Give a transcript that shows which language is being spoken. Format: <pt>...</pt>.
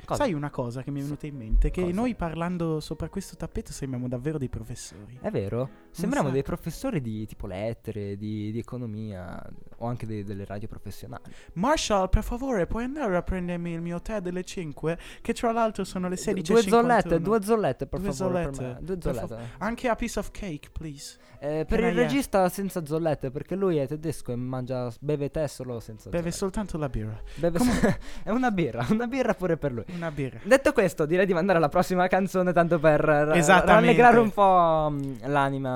<it>Sai una cosa che mi è venuta in mente? Che cosa? Noi parlando sopra questo tappeto sembriamo davvero dei professori. È vero? Sembriamo dei professori di tipo lettere. anche di economia o anche delle radio professionali. Marshall, per favore, puoi andare a prendermi il mio tè delle 5? Che tra l'altro sono le 16:51. Due zollette, per favore. Anche</it> <en>a piece of cake, please.</en> <it>Per il regista senza zollette, perché lui è tedesco e mangia, beve tè solo senza zollette. Beve soltanto la birra. È una birra pure per lui. Una birra. Detto questo, direi di mandare alla prossima canzone, tanto per rallegrare un po' l'anima.</it>